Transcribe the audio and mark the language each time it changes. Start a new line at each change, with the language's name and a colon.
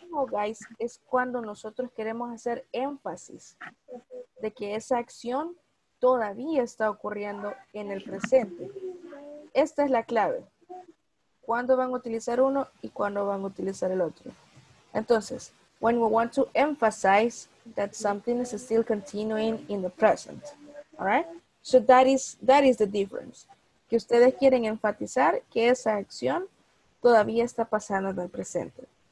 Spanish: Guys, es cuando nosotros queremos hacer énfasis de que esa acción todavía está ocurriendo en el presente. Esta es la clave. ¿Cuándo van a utilizar uno y cuándo van a utilizar el otro?
English: Entonces, when we want to emphasize that something is still continuing in the present. All right? So that is the difference.
Spanish: Que ustedes quieren enfatizar que esa acción todavía está pasando en el presente.